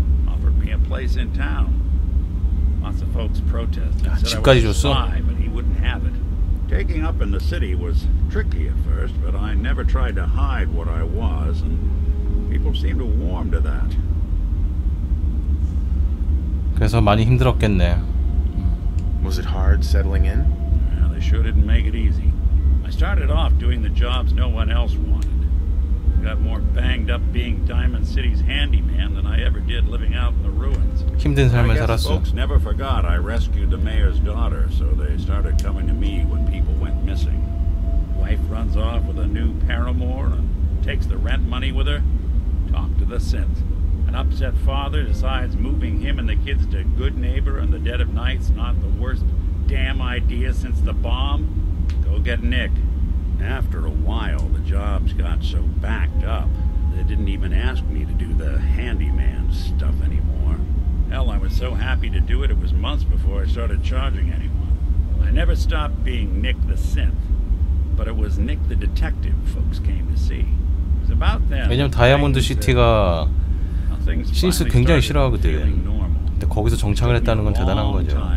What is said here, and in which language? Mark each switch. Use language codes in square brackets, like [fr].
[en] Offered me a place in town. Lots of folks protested. Said [ko] 집까지 줬어? [en] Lie, but he wouldn't have it. Taking up in the city was tricky at first, but I never tried to hide what I was, and people seemed to warm to that. [ko] 그래서 많이 힘들었겠네. [en] Was it hard settling in? Well, they sure didn't make it easy. I started off doing the jobs no one else wanted. Got more banged up being Diamond City's handyman than I ever did living out in the ruins. [ko] 힘든 삶을 살았어. [en] I guess folks never forgot I rescued the mayor's daughter, so they started coming to me when people went missing. Wife runs off with a new paramour and takes the rent money with her. Talk to the synth. An upset father decides moving him and the kids to Good Neighbor in the dead of night's not the worst damn idea since the bomb. Go get Nick. After a while, the jobs got so backed up, they didn't even ask me to do the handyman stuff anymore. Hell, I was so happy to do it, it was months before I started charging anyone. I never stopped being Nick the synth, but it was Nick the detective folks came to see. It was about then... [ko] 왜냐면 다이아몬드 시티가... 신스 굉장히 싫어하거든. 근데 거기서 정착을 했다는 건 대단한 거죠.